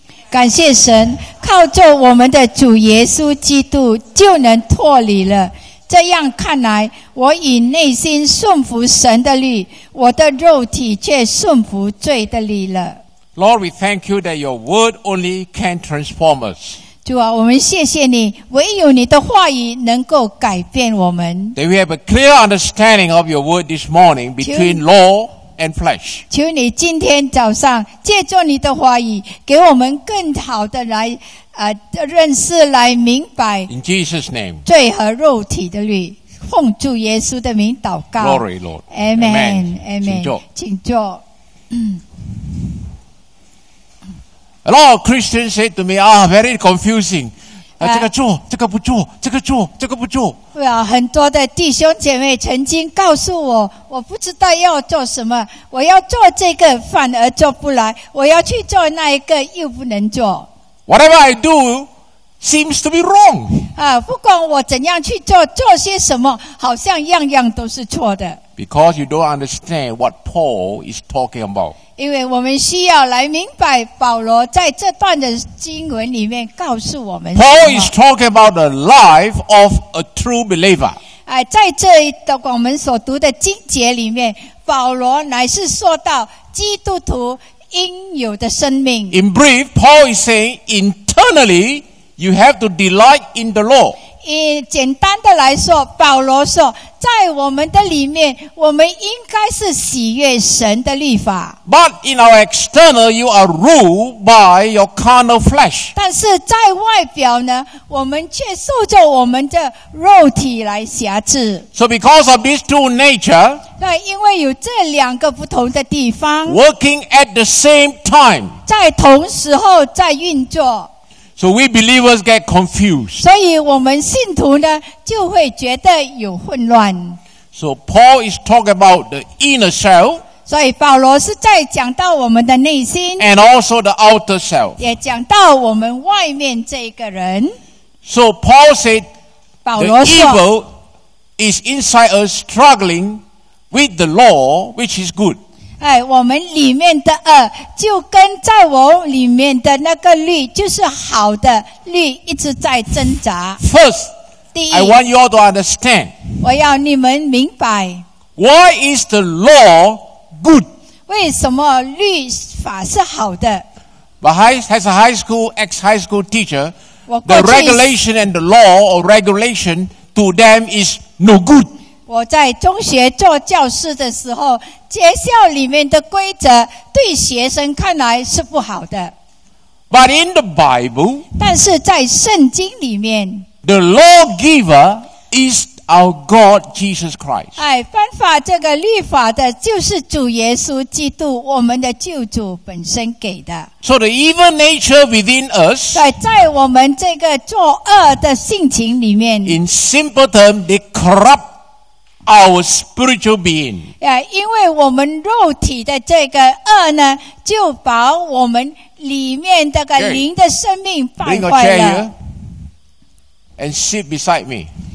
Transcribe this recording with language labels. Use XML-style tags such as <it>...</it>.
<zh>感谢神，靠着我们的主耶稣基督就能脱离了。这样看来，我以内心顺服神的律，我的肉体却顺服罪的律了。</zh> <en>Lord, we thank you that your word only can transform us.</en> <zh>主啊，我们谢谢你，唯有你的话语能够改变我们。</zh> <en>That we have a clear understanding of your word this morning between law. And flesh.</en> <zh>求你今天早上借助你的话语，给我们更好的来认识，来明白。</zh> <en>In Jesus' name.</en> <zh>罪和肉体的律，奉主耶稣的名祷告。</zh> <en>Glory, Lord. Amen.</en> <zh>Amen. Amen. 请坐。请坐。</zh> <en>A lot of Christians say to me, "Ah, very confusing."</en> <zh>这个做，这个不做，这个做，这个不做。对啊，很多的弟兄姐妹曾经告诉我，我不知道要做什么，我要做这个反而做不来，我要去做那一个又不能做。</zh> <en>Whatever I do seems to be wrong.</en> <zh>啊，不管我怎样去做，做些什么，好像样样都是错的。</zh> <en>Because you don't understand what Paul is talking about.</en> <zh>因为我们需要来明白保罗在这段的经文里面告诉我们什么。</zh> <en>Paul is talking about the life of a true believer.</en> <zh>在这一段我们所读的经节里面，保罗乃是说到基督徒应有的生命。</zh> <en>In brief, Paul is saying, internally, you have to delight in the law.</en> <zh>简单的来说，保罗说，在我们的里面，我们应该是喜悦神的律法。</zh> <en>But in our external, you are ruled by your carnal flesh.</en> <zh>但是在外表呢，我们却受着我们的肉体来辖制。</zh> <en>So because of these two nature,</en> <zh>对，因为有这两个不同的地方</zh> <en>，working at the same time，</en> <zh>在同时候在运作。</zh> <en>So we believers get confused.</en> <zh>所以我们信徒呢就会觉得有混乱。</zh> <en>So Paul is talking about the inner self.</en> <zh>所以保罗是在讲到我们的内心。</zh> <en>And also the outer self.</en> <zh>也讲到我们外面这个人。</zh> <en>So Paul said,</en> <zh>保罗说,</zh> <en>the evil is inside us struggling with the law, which is good.</en> <zh>哎，我们里面的恶就跟在我里面的那个律，就是好的律，一直在挣扎。</zh> <en>First,</en> <zh>第一</zh> <en>，I want you all to understand.</en> <zh>我要你们明白。</zh> <en>Why is the law good?</en> <zh>为什么律法是好的</zh> <en>？But as a high school ex high school teacher, the regulation and the law or regulation to them is no good.</en> <zh>我在中学做教师的时候，学校里面的规则对学生看来是不好的。</zh> <en>But in the Bible,</en> <zh>但是在圣经里面</zh> <en>，the lawgiver is our God Jesus Christ。</en> <zh>哎，颁发这个律法的就是主耶稣基督，我们的救主本身给的。</zh> <en>So the evil nature within us,</en> <zh>对，在我们这个作恶的性情里面</zh> <en>，in simple term, they corrupt. Our spiritual being.</en> <zh>Yeah, 因为我们肉体的这个恶呢，就把我们里面这个灵的生命败坏了。</zh> <en>Bring a chair here and sit beside me.</en>